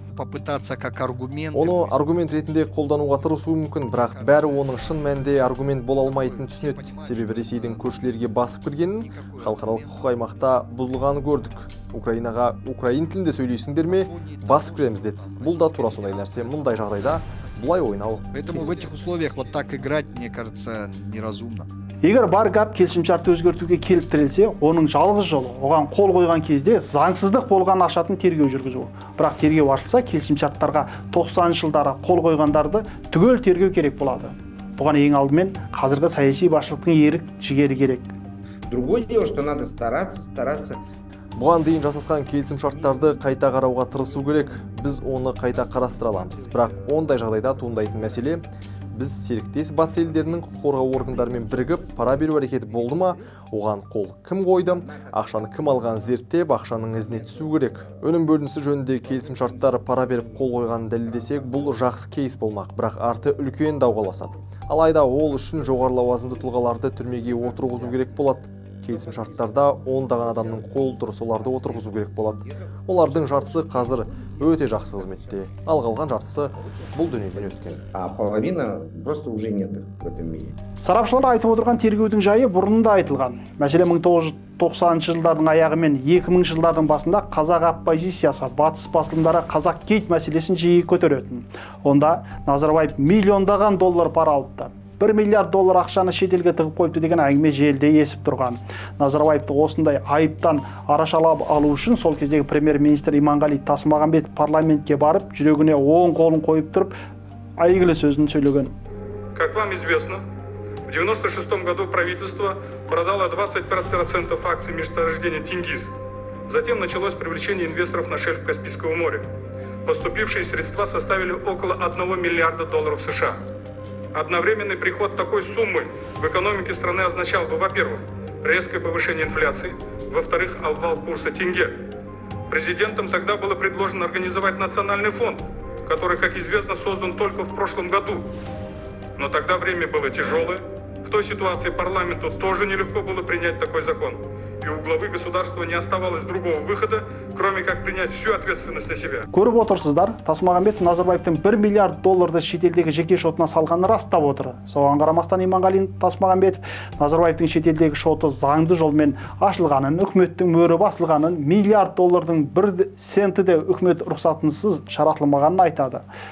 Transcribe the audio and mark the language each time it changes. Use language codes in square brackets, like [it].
[kk] Оны аргумент ретінде қолдануға тырысуы мүмкін, бірақ бәрі оның шын мәнінде аргумент бола алмайтынын түсінеді. Себебі Ресейдің көршілерге басып кіргенін халықаралық құқық аймақта бұзылғанын көрдік. Украинаға украин тілінде сөйлейсіңдер ме, басып кіреміз деді. Бұл да тура сондай нәрсе. Мұндай жағдайда Бұлай ойнау. [ru] Поэтому в этих условиях вот так играть, мне кажется, неразумно. [kk] Егер бар гап келісімшарты өзгертуге келіп тірелсе, оның жалғыз жолы оған қол қойған кезде заңсыздық болған ашатын тергеу жүргізу. Бірақ тергеу ашылса, келісімшарттарға 90 жылдары қол қойғандарды түгел тергеу керек болады. Бұған ең алдымен қазіргі саяси басшылықтың ерік жігері керек. [ru] Другое дело, что надо стараться. [kk] Бұған дейін жасасқан келісімшарттарды қайта қарауға тырысу керек. Біз оны қайта қарастыра аламыз. Бірақ ондай жағдайда туындайтын мәселе, біз серіктес батыс елдерінің құқық қорғау органдарымен бірігіп пара беру әрекеті болды ма, оған қол кім қойды, ақшаны кім алған зерттеп, ақшаның ізіне түсу керек. Өнім бөлінісі жөнінде келісім шарттары пара беріп қол қойғанын дәлелдесек, бұл жақсы кейс болмақ, бірақ арты үлкен дауғаласады. Алайда ол үшін жоғары лауазымды тұлғаларды түрмеге отырғызу керек болады. Келісім шарттарда ондаған адамның қол дұрыс оларды отырғызу керек болады. Олардың жартысы қазір өте жақсы қызметте. Ал қалған жартысы бұл дүниеден өткен. [ru] А половина просто уже нет в этом мире. [kk] Сарапшылар айтып отырған тергеудің жайы бұрын да айтылған. Мәселе 1990 жылдардың аяғы мен 2000 жылдардың басында қазақ оппозициясы батыс басылымдары қазақ кейт мәселесін жиі көтеретін. Онда Назарбаев миллиондаған доллар пара алыпты. 1 миллиард доллар ақшаны шетелге тығып қойыпты деген әңгіме желіде есіп тұрған. Назарбаевты осындай айыптан арашалап алу үшін сол кездегі премьер-министр Иманғали Тасмағамбет парламентке барып, жүрегіне оң қолын қойып тұрып, әйгілі сөзін сөйлеген. [ru] Как вам известно, в 96-м году правительство продало 25% акций месторождения Тенгиз. Затем началось привлечение инвесторов на шельф Каспийского моря. Поступившие средства составили около 1 миллиарда долларов США. Одновременный приход такой суммы в экономике страны означал бы, во-первых, резкое повышение инфляции, во-вторых, обвал курса тенге. Президентам тогда было предложено организовать национальный фонд, который, как известно, создан только в прошлом году. Но тогда время было тяжелое. В той ситуации парламенту тоже нелегко было принять такой закон. И у главы государства не оставалось другого выхода, кроме как принять всю ответственность на себя. [kk] Көріп отырсыздар, Тасмағамбет Назарбаевтың 1 миллиард долларды шетелдегі жеке шотына салғанын растап отыр. Соған қарамастан Иманғали Тасмағамбет Назарбаевтың шетелдегі шоты заңды жолмен ашылғанын, үкіметтің мөрі басылғанын, миллиард доллардың бір сенті де үкімет рұқсатынсыз шаратылмағанын айтады.